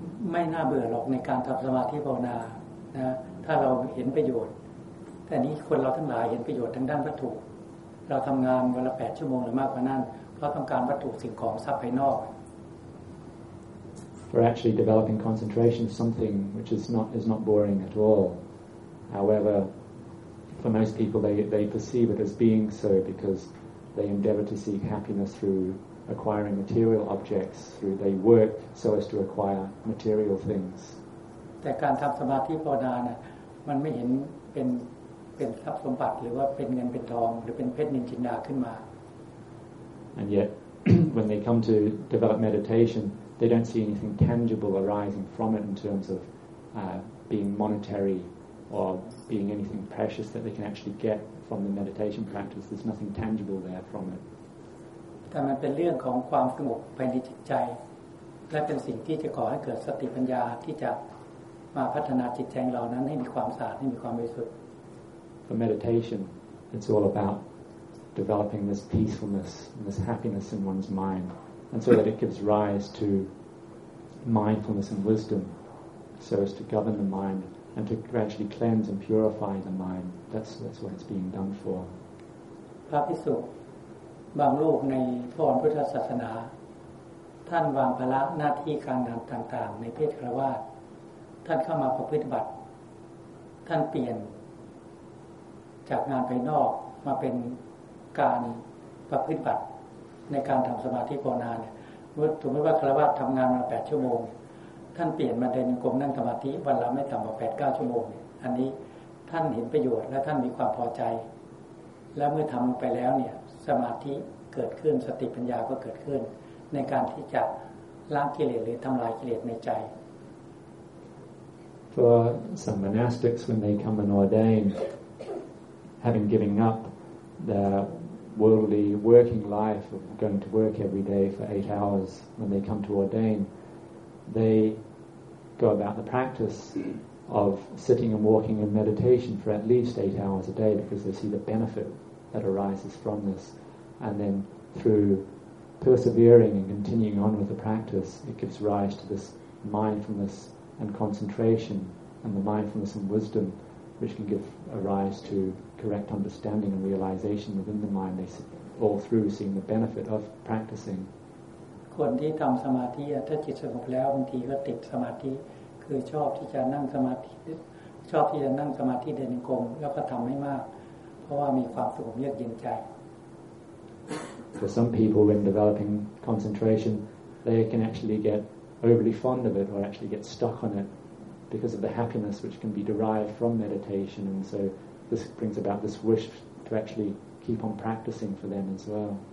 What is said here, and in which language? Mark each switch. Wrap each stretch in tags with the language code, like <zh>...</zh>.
<th>ไม่น่าเบื่อหรอกในการทำสมาธิภาวนานะถ้าเราเห็นประโยชน์แต่นี้คนเราทั้งหลายเห็นประโยชน์ทางด้านวัตถุเราทำงานวันละ8ชั่วโมงหรือมากกว่านั้นเพราะต้องการวัตถุสิ่งของทรัพย์ภายนอก</th> <en>For actually developing concentration is something which is not boring at all. However, for most people they perceive it as being so because they endeavor to seek happiness throughacquiring material objects through they work so as to acquire material things</en> <th>แต่การทำสมาธิภาวนาน่ะมันไม่เห็นเป็นทรัพย์สมบัติหรือว่าเป็นเงินเป็นทองหรือเป็นเพชรนินจินดาขึ้นมา</th> <en>and yet when they come to develop meditation they don't see anything tangible arising from it in terms of being monetary or being anything precious that they can actually get from the meditation practice there's nothing tangible there from it</en> <th>แต่มันเป็นเรื่องของความสงบภายในจิตใจและเป็นสิ่งที่จะก่อให้เกิดสติปัญญาที่จะมาพัฒนาจิตใจเรานั้นให้มีความสะอาดให้มีความบริสุทธิ์</th> <en>For meditation it's all about developing this peacefulness and this happiness in one's mind and so that it gives rise to mindfulness and wisdom so as to govern the mind and to gradually cleanse and purify the mind that's what it's being done for</en> <th>พระภิกษุบางรูปในพระพุทธศาสนาท่านวางภาระหน้าที่การงานต่างๆในเพศคฤหัสถ์ท่านเข้ามาประพฤติบัติท่านเปลี่ยน จากงานภายนอกมาเป็นการประพฤติบัติในการทำสมาธิภาวนาเนี่ยสมมติว่าคฤหัสถ์ทำงานมา8ชั่วโมงท่านเปลี่ยนมาเดินกรมนั่งสมาธิวันละไม่ต่ำกว่า 8-9 ชั่วโมงอันนี้ท่านเห็นประโยชน์และท่านมีความพอใจและเมื่อทำไปแล้วเนี่ยสมาธิเกิดขึ้นสติปัญญาก็เกิดขึ้นในการที่จะล้างกิเลสหรือทำลายกิเลสในใจ</th> <en>For some monastics when they come and ordain having given up the worldly working life of going to work every day for 8 hours, when they come to ordain, they go about the practice of sitting and walking in meditation for at least 8 hours a day, because they see the benefit that arises from this. And then through persevering and continuing on with the practice, it gives rise to this mindfulness and concentration, and the mindfulness and wisdom which can give a rise to correct understanding and realization within the mind. They see, all through seeing the benefit of practicing.</en> <th>คนที่ทำสมาธิถ้าจิตสงบแล้วบางทีก็ติดสมาธิคือชอบที่จะนั่งสมาธิชอบที่จะนั่งสมาธิเดินกลมแล้วก็ทำให้มากเพราะว่ามีความสงบเยือกเย็นใจ</th> <en>For some people, when developing concentration, they can actually get overly fond of it or actually get stuck on it. Because of the happiness which can be derived from meditation, and so this brings about this wish to actually keep on practicing for them as well.</en>